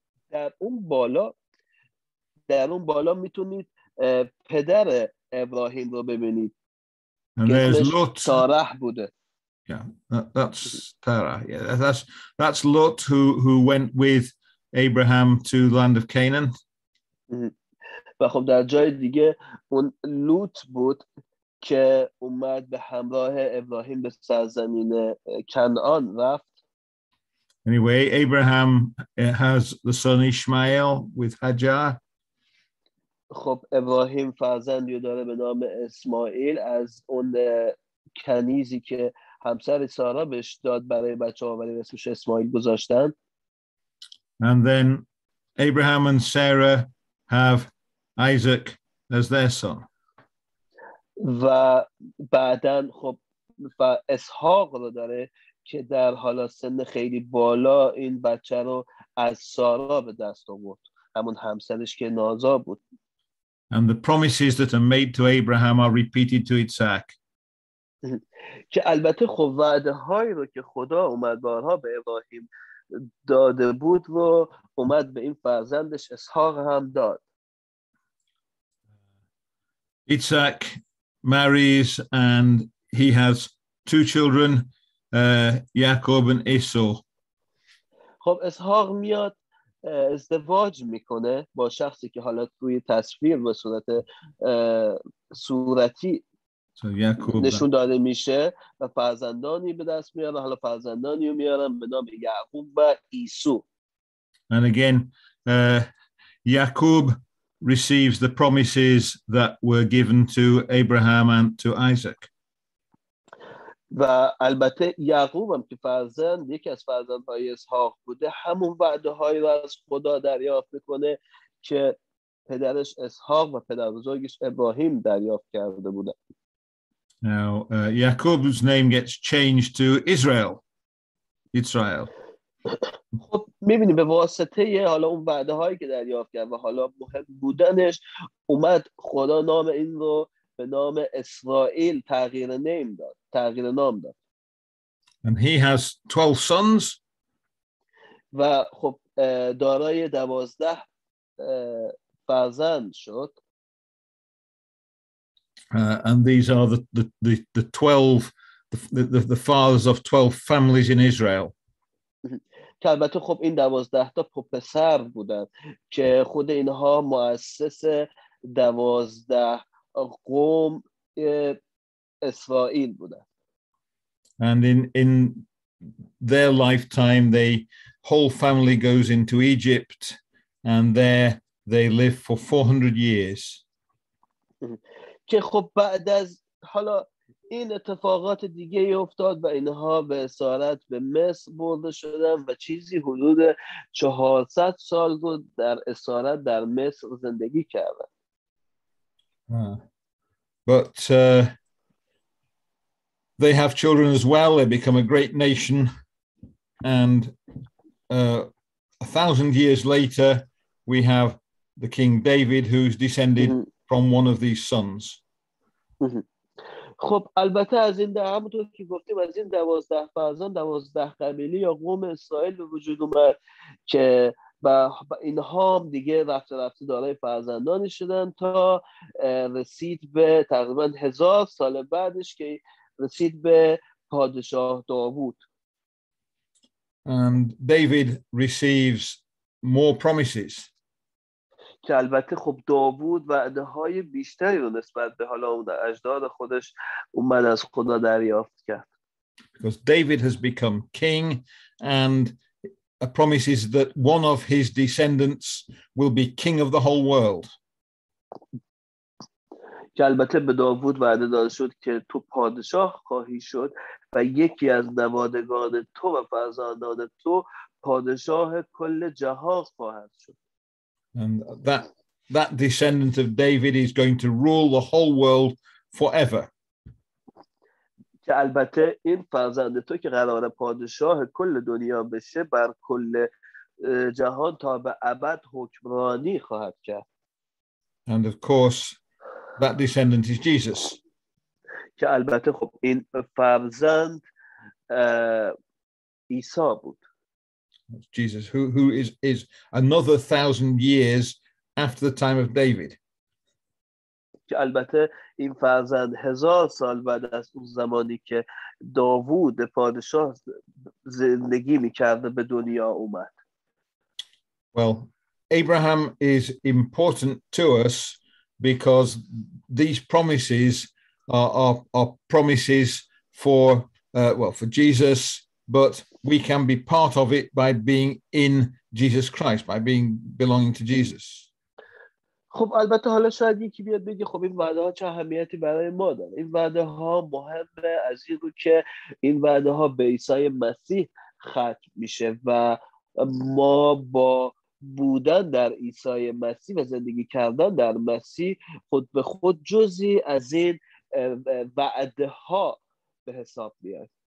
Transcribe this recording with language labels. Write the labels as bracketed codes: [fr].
[fa] در اون بالا میتونید پدر ابراهیم رو ببینید. [en] And there's Lot. [fa] تارح بوده. [en] Yeah, that's Tarah. Yeah, that's Lot who went with Abraham to the land of Canaan. [fa] و خب در جای دیگه اون لوط بود که اومد به همراه ابراهیم به سرزمین کنعان رفت. [en] Anyway, Abraham has the son Ishmael with Hagar. [fa] خب ابراهیم فرزندی داره به نام اسماعیل از اون کنیزی که همسر سارا بهش داد برای بچه‌ها ولی اسمش اسماعیل گذاشتن. [en] And then Abraham and Sarah have Isaac as their son. [fa] و بعدن خب و اسحاق رو داره که در حالا سن خیلی بالا این بچه رو از سارا به دست آورد همون همسرش که نازا بود. [en] And the promises that are made to Abraham are repeated to Isaac. [fa] که البته خب وعده هایی رو که خدا اومد بارها به ابراهیم داده بود رو اومد به این فرزندش اسحاق هم داد. [en] Isaac marries and he has two children, Jacob and Esau. [fa] خب اسحاق میاد ازدواج میکنه با شخصی که حالا توی تصویر به صورت صورتی نشون داده میشه و فرزندانی به دست میاره حالا فرزندانی رو میارن به نام یعقوب و عیسو. [en] And again Jacob receives the promises that were given to Abraham and to Isaac. [fa] و البته یعقوب هم که فرزند یکی از فرزندهای اسحاق بوده همون وعده هایی رو از خدا دریافت میکنه که پدرش اسحاق و پدر بزرگش ابراهیم دریافت کرده بودن. [en] Now Jacob's name gets changed to Israel. Israel. [fa] خب می‌بینیم به واسطه حالا اون وعده هایی که دریافت کرد و حالا مهم بودنش اومد خدا نام این رو به نام اسرائیل تغییر نام داد. [en] And he has 12 sons. [fa] و خب دارای 12 فرزند شد. [en] And these are the 12 the fathers of 12 families in Israel. [fa] البته خب این 12 تا پسر بودند که خود اینها مؤسس 12 قوم اسرائیل بودند. [en] And in their lifetime the whole family goes into Egypt and there they live for 400 years. [fa] که خب بعد از حالا این اتفاقات دیگه ای افتاد و اینها به اسارت به مصر برده شدن و چیزی حدود 400 سال بود در اسارت در مصر زندگی کردن. [en] But they have children as well. They become a great nation and 1,000 years later we have the King David who's descended from one of these sons. [fa] خب البته از این ده همونطور که گفتیم از این 12 فرزند 12 قبیله یا قوم اسرائیل به وجود اومد که با اینها هم دیگه رفته رفته دارای فرزندانی شدن تا رسید به تقریبا 1000 سال بعدش که رسید به پادشاه داوود. [en] And David receives more promises. [fa] که البته خب داوود وعده های بیشتری رو نسبت به حالا اون اجداد خودش اومد از خدا دریافت کرد. [en] Because David has become king and promises that one of his descendants will be king of the whole world. [fa] که البته به داوود وعده داده شد که تو پادشاه خواهی شد و یکی از نوادگان تو و فرزندان تو پادشاه کل جهان خواهد شد. [en] And that descendant of David is going to rule the whole world forever. [fa] که البته این فرزند تو که قرار پادشاه کل دنیا بشه بر کل جهان تا به ابد حکمرانی خواهد کرد. [en] And of course that descendant is Jesus. [fa] که البته خب این فرزند عیسی بود. [en] Jesus, who is another 1,000 years after the time of David. [fa] البته این فرزند 1000 سال بعد از اون زمانی که داوود پادشاه زندگی می‌کرد به دنیا اومد. [en] Well, Abraham is important to us because these promises are promises for for Jesus. But we can be part of it by being in Jesus Christ, by being belonging to Jesus. [fa] خب البته حالا شاید یکی بیاد بگه خب این وعده ها چه اهمیتی برای ما داره. این وعده ها مهمه از این رو که این وعده ها به عیسی مسیح ختم میشه و ما با بودن در عیسی مسیح و زندگی کردن در مسیح خود به خود جزی از این وعده ها به حساب میاد.